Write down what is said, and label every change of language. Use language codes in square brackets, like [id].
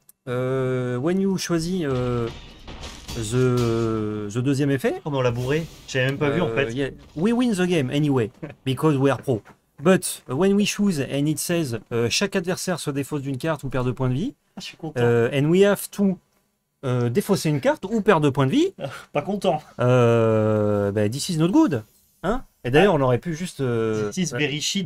[en] When you choisis the [fr] deuxième effet, Comment on l'a bourré? J'avais même pas vu en fait. [en] yeah, we win the game anyway, because we are pro. But when we choose and it says [fr] chaque adversaire se défausse d'une carte ou perd 2 points de vie, Je suis content. [en] and we have to [fr] défausser une carte ou perdre 2 points de vie, Pas content. [en] bah, this is not good. Hein? [fr] Et d'ailleurs, on aurait pu juste. [en] This is very shit,